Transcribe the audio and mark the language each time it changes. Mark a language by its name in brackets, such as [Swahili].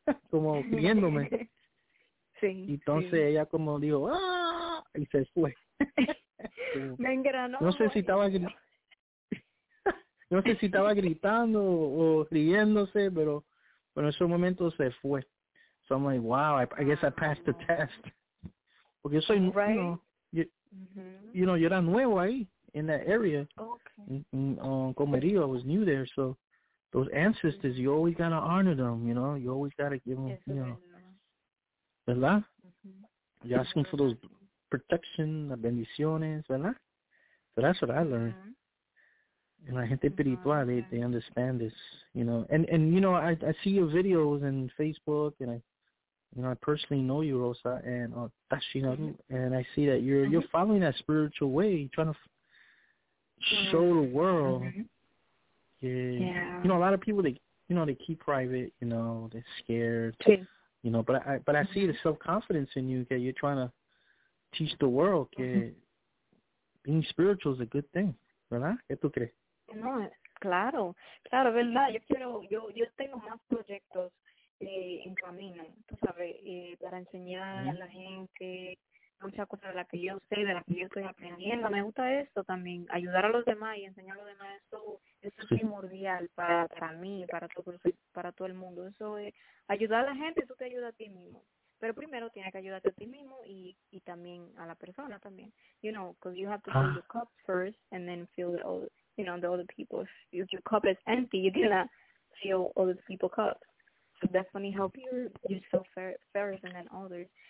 [Spanish] Como viéndome. Sí. Y entonces sí. ella como dijo, ¡ah! Y se fue. Me engranó. No sé si estaba no sé si estaba gritando o riéndose, pero en ese momento se fue. [English] So I'm like, wow, I guess I passed the test. [Spanish] Porque yo soy, [English] right. You know, [Spanish] yo era nuevo ahí, [English] in that area. Comerío, I was new there, so. Those ancestors, you always gotta honor them, you know. You always gotta give them, [Spanish] eso [English] you know. ¿Verdad? You're asking for those protection, [Spanish] las bendiciones, [English] ¿verdad? So that's what I learned. [Spanish] La gente espiritual, [English] they understand this, you know. And you know, I see your videos on Facebook, and I personally know you, Rosa, and Tashinaru, and I see that you're following that spiritual way, trying to show the world. Yeah. You know, a lot of people, they keep private, you know, they're scared, [Spanish] sí. [English] you know, but I see the self-confidence in you, that you're trying to teach the world que being spiritual is a good thing, ¿verdad? [Spanish] ¿Qué tú crees? No, claro, ¿verdad? Yo tengo más proyectos en camino, tú sabes, para enseñar a la gente muchas cosas de las que yo sé, de las que yo estoy aprendiendo. Me gusta esto también, ayudar a los demás y enseñar a los demás. Eso es primordial para mí, para todo el mundo. Eso es ayudar a la gente, tú te ayudas a ti mismo. Pero primero tienes que ayudarte a ti mismo y también a la persona también. [English] You know, because you have to fill your cup first and then fill it all, you know, the other people's. If your cup is empty, you cannot fill other people's cups. So definitely help yourself first and then others.